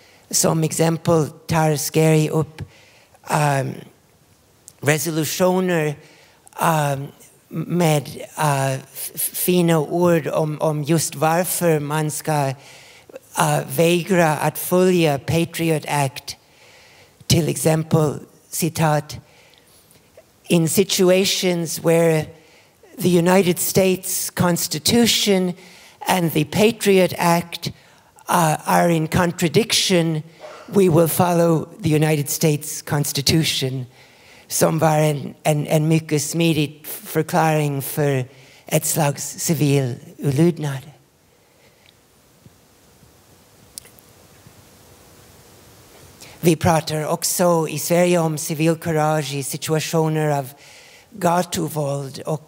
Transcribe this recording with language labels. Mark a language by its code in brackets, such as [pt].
[sv] Som exempel tar Scarry upp resolutioner med fina ord om just varför man ska vägra att följa Patriot Act. Till exempel, citat: [en] "In situations where the United States Constitution and the Patriot Act are in contradiction, we will follow the United States Constitution." [sv] Som var en mycket smidig förklaring för ett slags civil olydnad. Vi pratar också i Sverige om civilkurage i situationer av gatuvåld.